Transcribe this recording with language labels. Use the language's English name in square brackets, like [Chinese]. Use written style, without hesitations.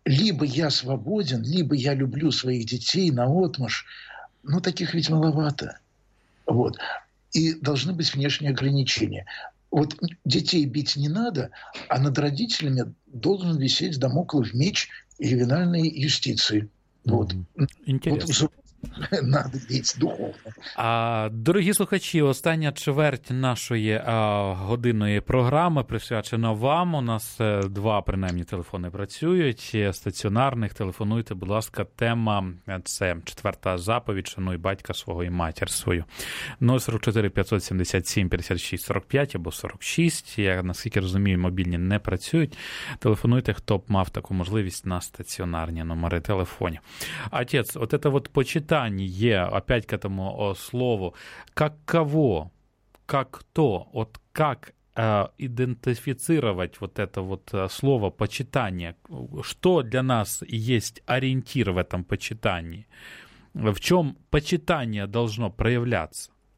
[Russian] Либо я свободен, либо я люблю своих детей наотмашь. Но таких ведь маловато. Вот. И должны быть внешние ограничения. Вот детей бить не надо, а над родителями должен висеть дамоклов меч ювенальной юстиции. Вот. Интересно. Вот надо бить духовно. [Ukrainian] А, дорогі слухачі, остання чверть нашої годинної програми присвячена вам. У нас два, принаймні, телефони працюють. Стаціонарних телефонуйте, будь ласка, тема – це четверта заповідь «Шануй батька свого і матір свою». 044-577-56-45 або 46. Я, наскільки розумію, мобільні не працюють. Телефонуйте, хто б мав таку можливість на стаціонарні номери телефонів. Отець, от це от почитання, є, [Russian] опять к этому слову, как кого, как кто, вот как идентифицировать вот это вот слово почитание, что для нас есть ориентир в этом почитании, в чем почитание должно проявляться?